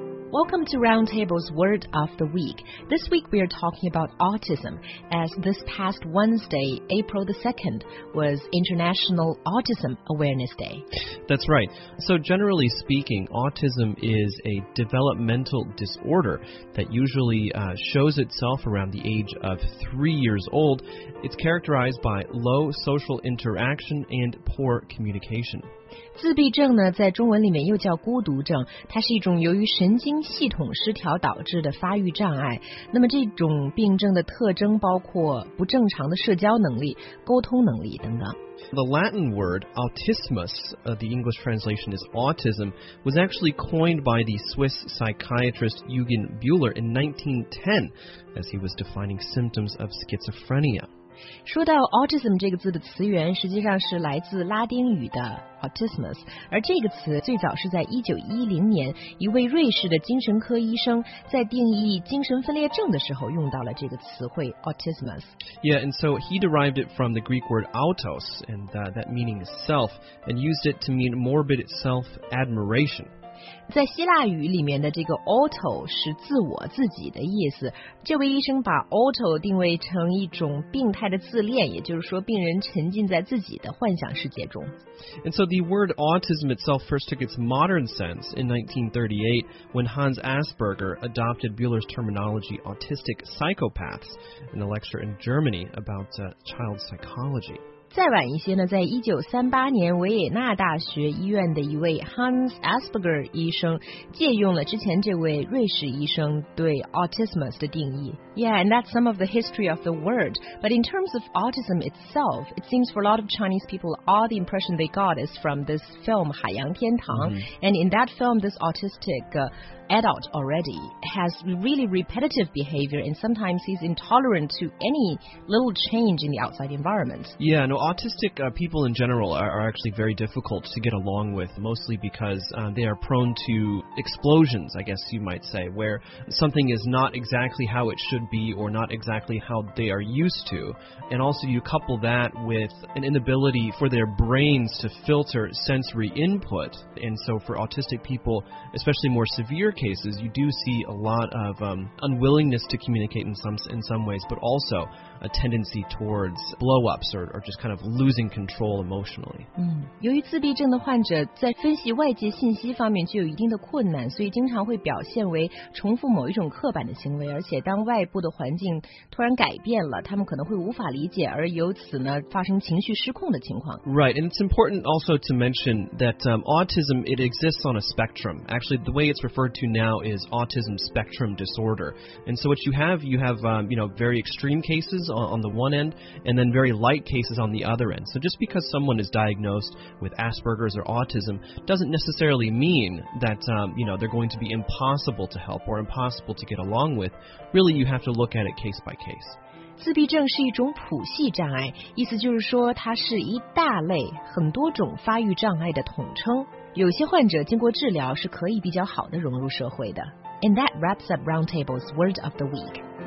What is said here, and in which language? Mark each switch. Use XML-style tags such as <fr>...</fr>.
<en>Welcome to Roundtable's Word of the Week. This week we are talking about autism, as this past Wednesday, April the 2nd, was International Autism Awareness Day. That's right. So generally speaking, autism is a developmental disorder that usually shows itself around the age of 3 years old. It's characterized by low social interaction and poor communication.</en> <zh>自闭症呢，在中文里面又叫孤独症，它是一种由于神经系统失调导致的发育障碍。那么这种病症的特征包括不正常的社交能力、沟通能力等等。</zh> <en>The Latin word autismus, the English translation is autism, was actually coined by the Swiss psychiatrist Eugen Bühler in 1910 as he was defining symptoms of schizophrenia.</en> <zh>说到 autism 这个字的词源，实际上是来自拉丁语的 autismus， 而这个词最早是在1910年，一位瑞士的精神科医生在定义精神分裂症的时候用到了这个词汇 autismus。</zh> <en>Yeah, and so he derived it from the Greek word autos, and that meaning is self, and used it to mean morbid self-admiration.</en> <zh>在希腊语里面的这个 auto 是自我自己的意思，这位医生把 auto 定位成一种病态的自恋，也就是说病人沉浸在自己的幻想世界中。</zh> <en>And so the word autism itself first took its modern sense in 1938 when Hans Asperger adopted Bühler's terminology autistic psychopaths in a lecture in Germany about child psychology.</en> <zh>再晚一些呢，在1938年，维也纳大学医院的一位 Hans Asperger 医生借用了之前这位瑞士医生对 autismus 的定义。</zh> <en>Yeah, and that's some of the history of the word. But in terms of autism itself, it seems for a lot of Chinese people, all the impression they got is from this film, 海洋天堂. And in that film, this autisticadult already has really repetitive behavior, and sometimes he's intolerant to any little change in the outside environment. Yeah, no, autistic people in general are actually very difficult to get along with, mostly becausethey are prone to explosions, I guess you might say, where something is not exactly how it should be or not exactly how they are used to. And also you couple that with an inability for their brains to filter sensory input. And so for autistic people, especially more severecases, you do see a lot of unwillingness to communicate in some ways, but also a tendency towards blow-ups or just kind of losing control emotionally.</en> <zh>由于自闭症的患者在分析外界信息方面具有一定的困难，所以经常会表现为重复某一种刻板的行为，而且当外部的环境突然改变了，他们可能会无法理解，而由此呢发生情绪失控的情况。</zh> <en>Right, and it's important also to mention that autism, it exists on a spectrum. Actually, the way it's referred to now is autism spectrum disorder. And so what you have very extreme cases on the one end, and then very light cases on the other end. So just because someone is diagnosed with Asperger's or autism doesn't necessarily mean that they're going to be impossible to help or impossible to get along with. Really, you have to look at it case by case.</en> <zh>自闭症是一种谱系障碍，意思就是说它是一大类很多种发育障碍的统称。有些患者经过治疗是可以比较好的融入社会的。</zh> <en>And that wraps up Roundtable's Word of the Week.</en>